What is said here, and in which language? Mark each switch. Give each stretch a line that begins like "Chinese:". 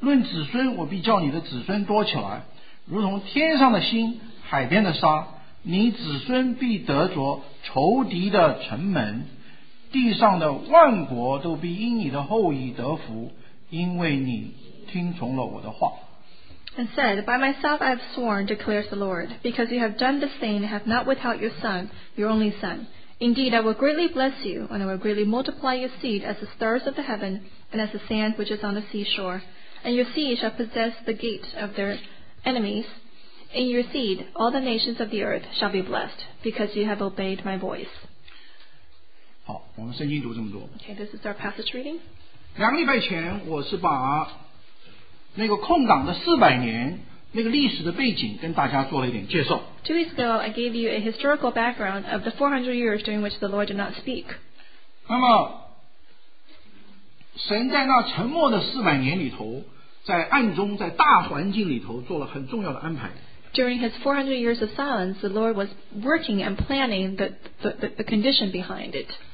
Chinese: 论子孙，我必叫你的子孙多起来，如同天上的星，海边的沙。你子孙必得着仇敌的城门，地上的万国都必因你的后裔得福，因为你听从了我的话。
English: And said, "By myself I have sworn, declares the Lord, because you have done this thing, have not withheld your son, your only son. Indeed, I will greatly bless you, and I will greatly multiply your seed as the stars of the heaven, and as the sand which is on the seashore." And your seed shall possess the gate of their enemies. In your seed, all the nations of the earth shall be blessed, because you have obeyed my voice.
Chinese: 好，我们圣经读这么多。
English: Okay, this is our passage reading.
Chinese: 两礼拜前，我是把那个空档的四百年那个历史的背景跟大家做了一点介绍。
English: Two weeks ago, I gave you a historical background of the 400 years during which the Lord did not speak.
Chinese: 那么神在那沉默的四百年里头，在暗中，在大环境里头做了很重要的安排。
English: During his 400 years of silence, the Lord was working and planning the condition behind it.